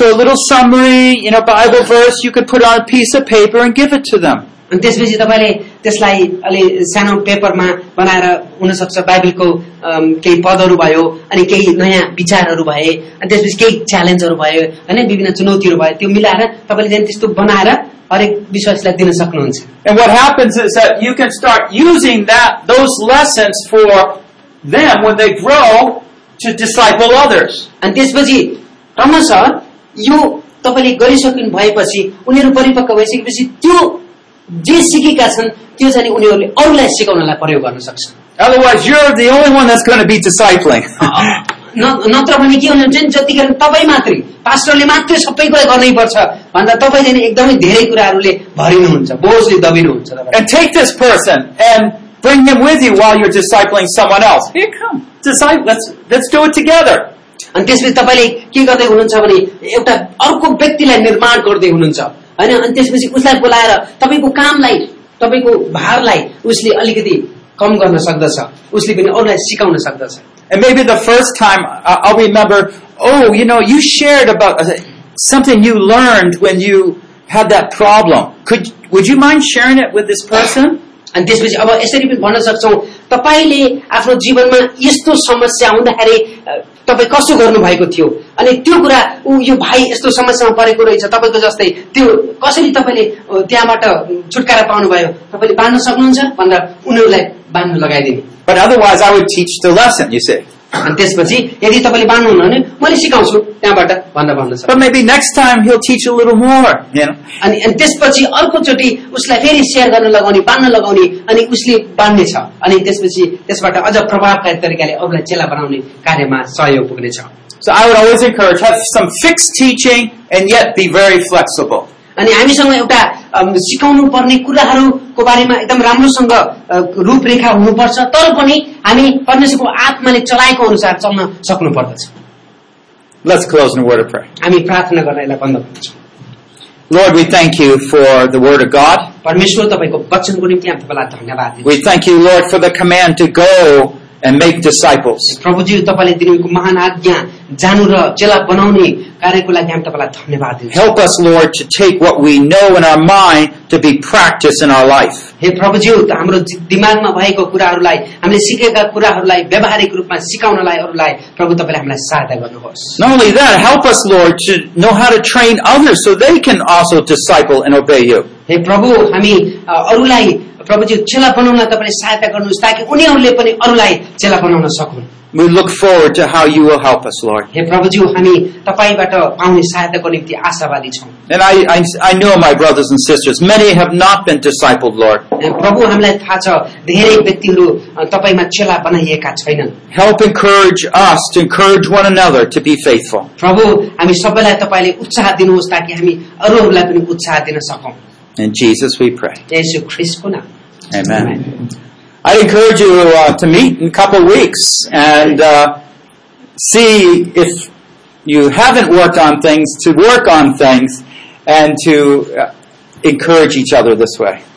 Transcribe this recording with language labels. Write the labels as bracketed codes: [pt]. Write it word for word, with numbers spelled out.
[en] So a little summary, you know, Bible verse you could put on a piece of paper and give it to them. [ne] अनि त्यसपछि तपाईले त्यसलाई अलि सानो पेपरमा बनाएर हुन सक्छ बाइबलको केही पदहरू भयो अनि केही नयाँ विचारहरू भए अनि त्यसपछि केही च्यालेन्जहरू भयो हैन विभिन्न चुनौतीहरू भयो त्यो मिलाएर तपाईले चाहिँ त्यस्तो बनाएर हरेक विश्वासलाई दिन सक्नुहुन्छ। [en] And what happens is that you can start using that those lessons for them when they grow to disciple others. [ne] अनि त्यसपछि क्रमशः यो तपाईले गरिसक्नु भएपछि उनीहरू परिपक्व भइसकेपछि त्यो जे सिकेका छन् त्यो चाहिँ उनीहरूले अरूलाई सिकाउनलाई प्रयोग गर्न सक्छ। [en] Otherwise you're the only one that's going to be discipling. [ne] नत्र भने के हुन्छ नि जतिखेर तपाई मात्रै पास्टरले मात्रै सबै कुरा गर्नै पर्छ भन्दा तपाई चाहिँ एकदमै धेरै कुराहरूले भरिनुहुन्छ बोझले दबिनुहुन्छ। [en] And take this person and bring him with you while you're discipling someone else. Here come. Disciple let's let's do it together. [ne] अनि त्यसपछि तपाईले के गर्दै हुनुहुन्छ भने एउटा अर्को व्यक्तिलाई निर्माण गर्दै हुनुहुन्छ हैन अनि त्यसपछि उसलाई बोलाएर तपाईको कामलाई तपाईको भारलाई उसले अलिकति कम गर्न सक्दछ उसले पनि अरूलाई सिकाउन सक्दछ। [en] And maybe the first time I'll remember, oh, you know, you shared about something you learned when you had that problem. Could would you mind sharing it with this person? [ne] अनि त्यसपछि अब यसरी पनि भन्न सक्छौ तपाईले आफ्नो जीवनमा यस्तो समस्या हुँदाखेरि तपाई कसो गर्नु भएको थियो अनि त्यो कुरा उ यो भाइ यस्तो समस्यामा परेको रहेछ तपाईको जस्तै त्यो कसरी तपाईले त्यहाँबाट छुटकारा पाउनु भयो तपाईले बाँड्न सक्नुहुन्छ भनेर उनीहरूलाई बाँड्न लगाइदिनु। [en] But otherwise I would teach the lesson, you see. [ne] अनि त्यसपछि यदि तपाईले बाँड्नु हुन्न भने मैले सिकाउँछु त्यहाँबाट भनेर भन्न सक्नुहुन्छ। [en] But maybe next time he'll teach a little more, you know. [ne] अनि अनि त्यसपछि अर्कोचोटि उसलाई फेरि शेयर गर्न लगाउने बाँड्न लगाउने अनि उसले बाँड्नेछ अनि त्यसपछि त्यसबाट अझ प्रभावकारी तरिकाले अरूलाई चेला बनाउने कार्यमा सहयोग पुग्नेछ। [en] So I would always encourage have some fixed teaching and yet be very flexible. [ne] अनि हामीसँग एउटा सिकाउनु पर्ने कुराहरूको बारेमा एकदम राम्रोसँग रूपरेखा हुनुपर्छ तर पनि हामी परमेश्वरको आत्माले चलाएको अनुसार चल्न सक्नु पर्दछ। [en] Let's close in a word of prayer. [ne] हामी प्रार्थना गर्नलाई बन्द गर्छौं। [en] Lord, we thank you for the word of God. [ne] परमेश्वर तपाईको वचनको निम्ति हामी तपाईलाई धन्यवाद दिन्छौं। [en] We thank you, Lord, for the command to go and make disciples. [ne] प्रभुजी तपाईले दिनुभएको महान आज्ञा जानु र चेला बनाउने कार्यको लागि हामी तपाईलाई धन्यवाद दिन्छौं। [en] Help us, Lord, to take what we know in our mind to be practiced in our life. [ne] हे प्रभुजी हाम्रो दिमागमा भएको कुराहरूलाई हामीले सिकेका कुराहरूलाई व्यावहारिक रूपमा सिकाउनलाई अरूलाई प्रभु तपाईले हामीलाई सहायता गर्नुहोस्। [en] Not only that, help us, Lord, to know how to train others so they can also disciple and obey you. [ne] हे प्रभु हामी अरूलाई प्रभुजी चेला बनाउन तपाईले सहायता गर्नुहोस् ताकि उनीहरूले पनि अरूलाई चेला बनाउन सकुन्। [en] We look forward to how you will help us, Lord. [ne] हे प्रभुज्यू हामी तपाईबाट पाउने सहायताको निम्ति आशावादी छौँ। [en] And I, I, I know my brothers and sisters, many have not been discipled, Lord. [ne] प्रभु हामीलाई थाहा छ धेरै व्यक्तिहरू तपाईमा चेला बनाइएका छैनन्। [en] Help encourage us to encourage one another to be faithful. [ne] प्रभु हामी सबैलाई तपाईले उत्साह दिनुहोस् ताकि हामी अरूहरूलाई पनि उत्साह दिन सकौं। [en] In Jesus we pray. [ne] येशू ख्रीष्टको नाममा। [en] Amen. Amen. I encourage you uh, to meet in a couple of weeks and uh, see if you haven't worked on things, to work on things and to uh, encourage each other this way.